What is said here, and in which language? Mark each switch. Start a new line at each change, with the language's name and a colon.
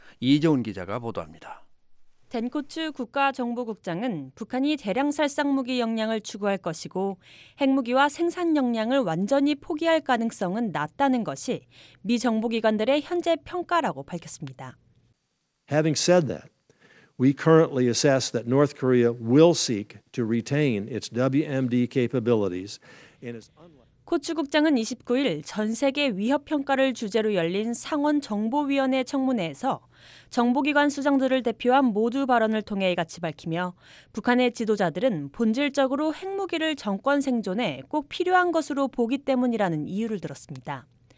Korean: 이재훈 기자가 보도합니다. 댄 코츠 국가정보국장은 북한이 대량 살상무기 역량을 추구할 것이고 핵무기와 생산 역량을 완전히 포기할 가능성은 낮다는 것이 미 정보기관들의 현재 평가라고 밝혔습니다.
English: Having said that, we currently assess that North Korea will seek to retain its WMD capabilities in its
Korean: 코츠 국장은 29일 전 세계 위협 평가를 주제로 열린 상원 정보위원회 청문회에서 정보기관 수장들을 대표한 모두 발언을 통해 이같이 밝히며 북한의 지도자들은 본질적으로 핵무기를 정권 생존에 꼭 필요한 것으로 보기 때문이라는 이유를 들었습니다.